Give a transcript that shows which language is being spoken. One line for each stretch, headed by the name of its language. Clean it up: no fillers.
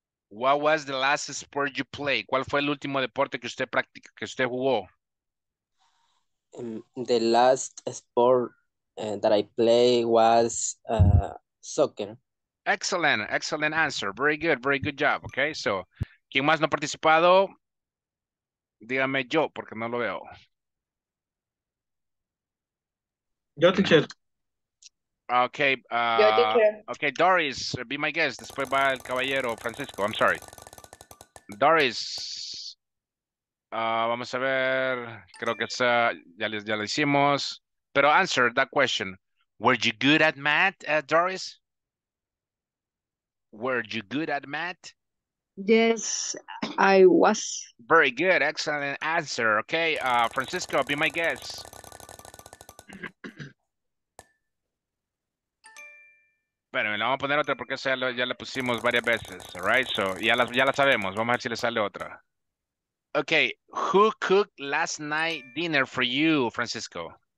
Spanish: ¿Cuál fue el último deporte que usted practicó, que usted jugó?
English: The last sport that I played was soccer. Excellent answer. Very good, very good job. Okay, so,
Spanish: ¿quién más no ha participado? Dígame yo, porque no lo veo. Yo, teacher.
English: Okay, okay, Doris, be my guest.
Spanish: Después va el caballero Francisco.
English: I'm sorry.
Spanish: Doris. Vamos a ver. Creo que es, ya lo hicimos.
English: Pero answer that question. Were you good at math, Doris? Were you good at math? Yes, I was. Very good. Excellent answer. Okay, Francisco, be my guest.
Spanish: Bueno, le vamos a poner otra porque esa ya la pusimos varias veces.
English: All right,
Spanish: so ya la sabemos. Vamos a ver si le sale otra.
English: Okay, who cooked last night dinner for you, Francisco?